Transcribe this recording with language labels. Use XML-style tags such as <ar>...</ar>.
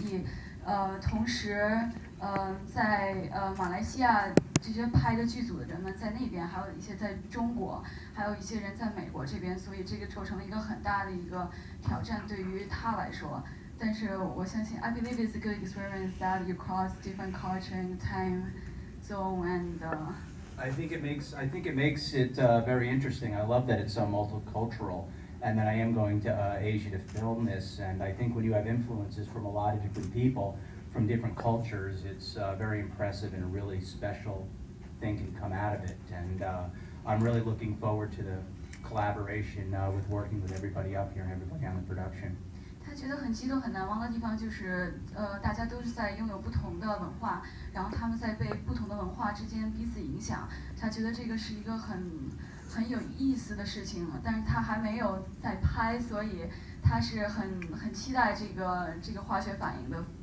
<zh>所以我的主持人问的问题是在参加这部电影的时候最大挑战是什么，是说他要先学中文吗？然后Craig回答的是，就是他觉得最大感激就是在现场基本大家都很会说英文，所以就不用再学中文了。然后他觉得这部电影最大的挑战是整个电影是全世界的一个制作，所以大家要跨越不同的时间和地域来沟通来演绎，同时在马来西亚这些拍的剧组的人们在那边，还有一些在中国，还有一些人在美国这边，所以这个构成了一个很大的一个挑战对于他来说。但是我相信</zh> <en>I believe it's a good experience that you cross different culture and time zone and I think it makes it very interesting. I love that it's so multicultural, and that I am going to Asia to film this, and I think when you have influences from a lot of different people from different cultures, it's very impressive, and a really special thing can come out of it. And I'm really looking forward to the collaboration with working with everybody up here and everybody on the production.</en> <zh>他觉得很激动、很难忘的地方就是，大家都是在拥有不同的文化，然后他们在被不同的文化之间彼此影响。他觉得这个是一个很有意思的事情，但是他还没有在拍，所以他是很期待这个化学反应的。</zh>